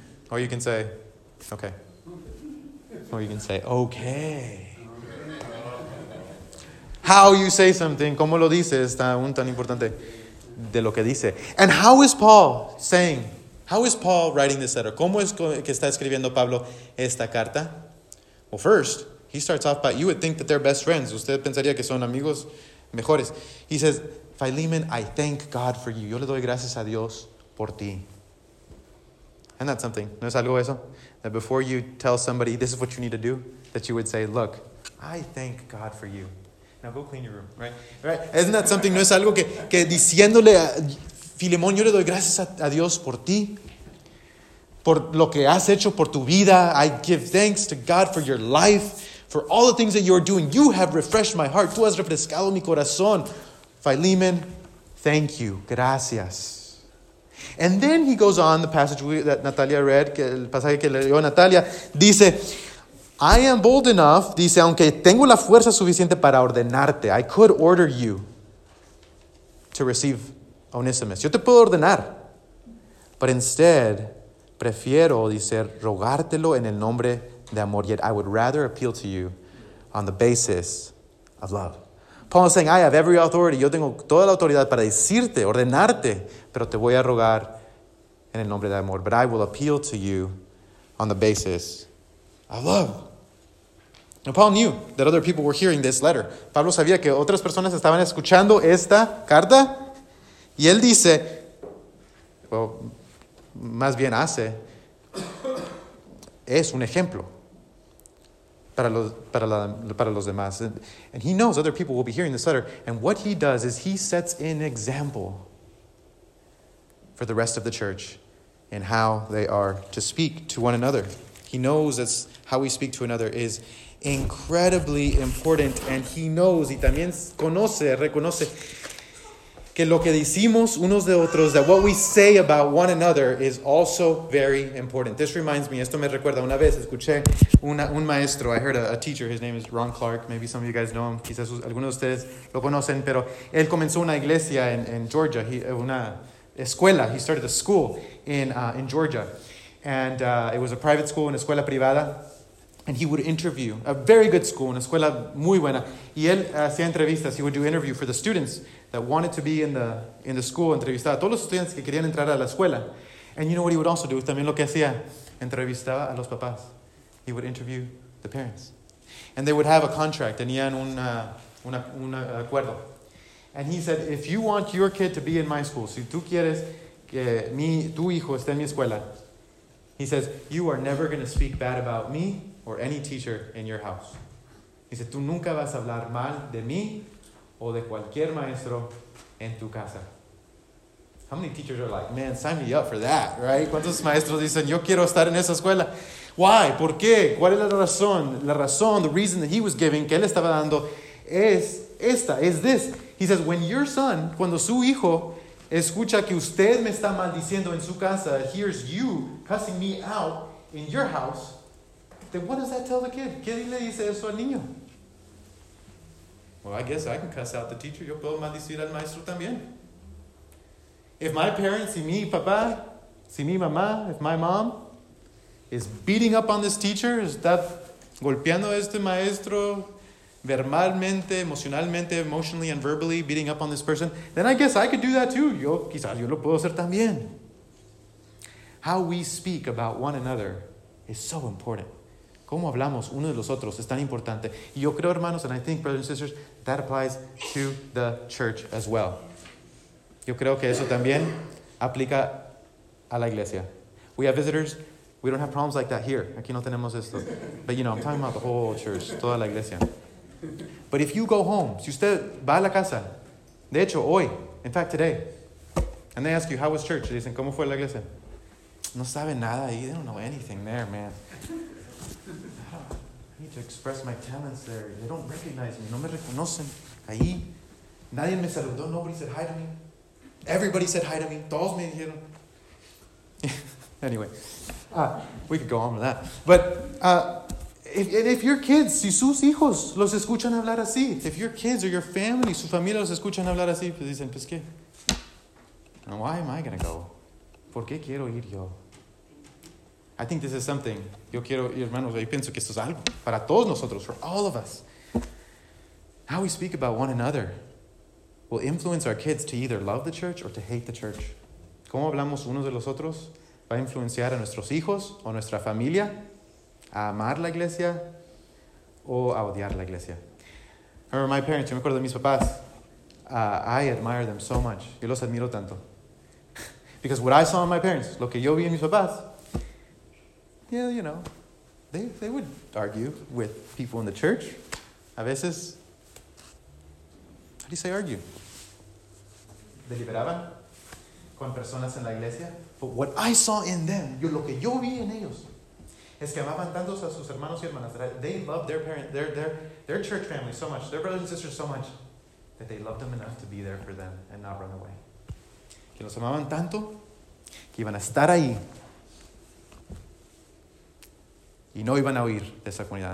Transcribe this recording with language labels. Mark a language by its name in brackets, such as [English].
[English] Or you can say, okay. Or you can say, okay. How you say something, [Spanish] como lo dice, está un tan importante de lo que dice. [English] And how is Paul saying, how is Paul writing this letter? [Spanish] ¿Cómo es que está escribiendo Pablo esta carta? [English] Well, first, he starts off by, you would think that they're best friends. [Spanish] Usted pensaría que son amigos mejores. [English] He says, Philemon, I thank God for you. [Spanish] Yo le doy gracias a Dios por ti. [English] Isn't that something? [Spanish] ¿No es algo eso? [English] That before you tell somebody, this is what you need to do, that you would say, look, I thank God for you. Now go clean your room, right? Isn't that something? [Spanish] ¿No es algo que diciéndole a Filemón, yo le doy gracias a Dios por ti? Por lo que has hecho por tu vida. [English] I give thanks to God for your life. For all the things that you are doing, you have refreshed my heart. [Spanish] Tú has refrescado mi corazón. Philemon, [English] thank you. [Spanish] Gracias. [English] And then he goes on, the passage that Natalia read, [Spanish] el pasaje que leyó Natalia, [English] dice, I am bold enough, [Spanish] dice, aunque tengo la fuerza suficiente para ordenarte, [English] I could order you to receive Onesimus. [Spanish] Yo te puedo ordenar. [English] But instead, [Spanish] prefiero, dice, rogártelo en el nombre de amor, [English] yet I would rather appeal to you on the basis of love. Paul is saying, I have every authority. [Spanish] Yo tengo toda la autoridad para decirte, ordenarte, pero te voy a rogar en el nombre de amor. [English] But I will appeal to you on the basis of love. And Paul knew that other people were hearing this letter. [Spanish] Pablo sabía que otras personas estaban escuchando esta carta. Y él dice, well, más bien hace, es un ejemplo para los demás. [English] And he knows other people will be hearing this letter. And what he does is he sets an example for the rest of the church in how they are to speak to one another. He knows that how we speak to another is incredibly important. And he knows, [Spanish] y también conoce, reconoce, que lo que decimos unos de otros, [English] that what we say about one another is also very important. This reminds me, [Spanish] esto me recuerda, una vez escuché un maestro, [English] I heard a teacher, his name is Ron Clark, maybe some of you guys know him, [Spanish] quizás algunos de ustedes lo conocen, pero él comenzó una iglesia en Georgia, escuela. [English] He started a school in Georgia. And it was a private school, una escuela privada. And he would interview, a very good school, [Spanish] una escuela muy buena. Y él hacía entrevistas, [English] he would do interview for the students that wanted to be in the school, [Spanish] entrevistaba a todos los estudiantes que querían entrar a la escuela. [English] And you know what he would also do? [Spanish] También lo que hacía, entrevistaba a los papás. [English] He would interview the parents. And they would have a contract, [Spanish] tenían un acuerdo. [English] And he said, if you want your kid to be in my school, [Spanish] si tú quieres que tu hijo esté en mi escuela, [English] he says, you are never going to speak bad about me or any teacher in your house. [Spanish] He said, tú nunca vas a hablar mal de mí o de cualquier maestro en tu casa. [English] How many teachers are like, man, sign me up for that, right? [Spanish] ¿Cuántos maestros dicen, yo quiero estar en esa escuela? [English] Why? [Spanish] ¿Por qué? ¿Cuál es la razón? La razón, [English] the reason that he was giving, [Spanish] que él estaba dando, es esta, es this. [English] He says, when your son, [Spanish] cuando su hijo escucha que usted me está maldiciendo en su casa, [English] hears you cussing me out in your house, then what does that tell the kid? [Spanish] ¿Qué le dice eso al niño? [English] Well, I guess I can cuss out the teacher. [Spanish] Yo puedo maldecir al maestro también. [English] If my parents, [Spanish] si mi papá, si mi mamá, [English] if my mom is beating up on this teacher, [Spanish] está golpeando a este maestro verbalmente, emocionalmente, [English] emotionally and verbally, beating up on this person, then I guess I could do that too. [Spanish] Yo quizás yo lo puedo hacer también. [English] How we speak about one another is so important. [Spanish] ¿Cómo hablamos uno de los otros? Es tan importante. Y yo creo, hermanos, [English] and I think, brothers and sisters, that applies to the church as well. [Spanish] Yo creo que eso también aplica a la iglesia. [English] We have visitors. We don't have problems like that here. [Spanish] Aquí no tenemos esto. [English] But, you know, I'm talking about the whole church, [Spanish] toda la iglesia. [English] But if you go home, [Spanish] si usted va a la casa, de hecho, hoy, [English] in fact, today, and they ask you, how was church? [Spanish] Dicen, ¿cómo fue la iglesia? No saben nada ahí. [English] They don't know anything there, man. To express my talents there. They don't recognize me. [Spanish] No me reconocen. Ahí. Nadie me saludó. [English] Nobody said hi to me. Everybody said hi to me. [Spanish] Todos me dijeron. [English] Anyway. We could go on with that. But if your kids, [Spanish] si sus hijos los escuchan hablar así. [English] If your kids or your family, [Spanish] su familia los escuchan hablar así. Pues dicen, pues qué. [English] And why am I going to go? [Spanish] ¿Por qué quiero ir yo? [English] I think this is something. [Spanish] Yo quiero, hermanos, yo pienso que esto es algo para todos nosotros, [English] for all of us. How we speak about one another will influence our kids to either love the church or to hate the church. [Spanish] ¿Cómo hablamos unos de los otros? Va a influenciar a nuestros hijos o nuestra familia a amar la iglesia o a odiar la iglesia. [English] I remember my parents, [Spanish] yo me acuerdo de mis papás. [English] I admire them so much. [Spanish] Yo los admiro tanto. [English] Because what I saw in my parents, [Spanish] lo que yo vi en mis papás, [English] yeah, you know, they would argue with people in the church. [Spanish] A veces, [English] how do you say argue? [Spanish] Deliberaban con personas en la iglesia. [English] But what I saw in them, [Spanish] lo que yo vi en ellos, es que amaban tanto a sus hermanos y hermanas. [English] They loved their parents, their church family so much, their brothers and sisters so much, that they loved them enough to be there for them and not run away. [Spanish] Que los amaban tanto, que iban a estar ahí. Y no iban a huir de esa comunidad.